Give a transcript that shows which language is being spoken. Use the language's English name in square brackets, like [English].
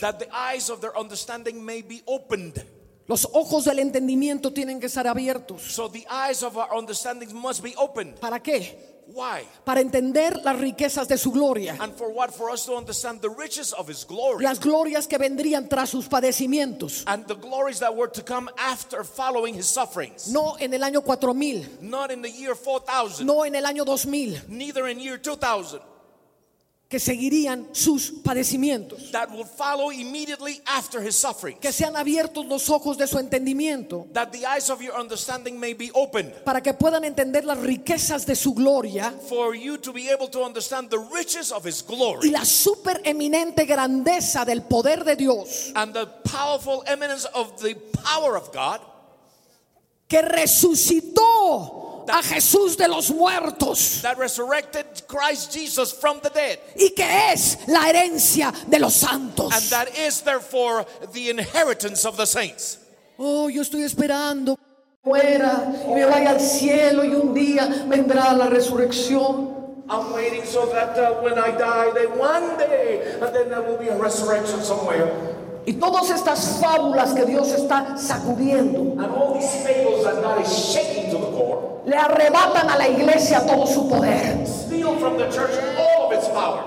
[English] That the eyes of their understanding may be opened. [Spanish] Los ojos del entendimiento tienen que estar abiertos. [English] So the eyes of our understanding must be opened. [Spanish] ¿Para qué? [English] Why? [Spanish] Para entender las riquezas de su gloria. [English] And for what? For us to understand the riches of his glory. [Spanish] Las glorias que vendrían tras sus padecimientos. [English] And the glories that were to come after following his sufferings. [Spanish] No en el año 4000. [English] Not in the year 4000. [Spanish] No en el año 2000. [English] Neither in year 2000. [Spanish] Que seguirían sus padecimientos. [English] That will follow immediately after his sufferings. [Spanish] Que sean abiertos los ojos de su entendimiento. [English] That the eyes of your understanding may be opened. [Spanish] Para que puedan entender las riquezas de su gloria. [English] For you to be able to understand the riches of his glory. [Spanish] Y la supereminente grandeza del poder de Dios. [English] And the powerful eminence of the power of God. [Spanish] Que resucitó a Jesús de los muertos. [English] That resurrected Christ Jesus from the dead. [Spanish] Y que es la herencia de los santos. [English] And that is therefore the inheritance of the saints. [Spanish] Oh, yo estoy esperando fuera y me vaya al cielo y un día vendrá la resurrección. [English] I'm waiting so that when I die, then one day, and then there will be a resurrection somewhere. [Spanish] Y todas estas fábulas que Dios está sacudiendo. [English] And all these fables that God is shaking to the core. [Spanish] Le arrebatan a la iglesia todo su poder. [English] Steal from the church all of its power.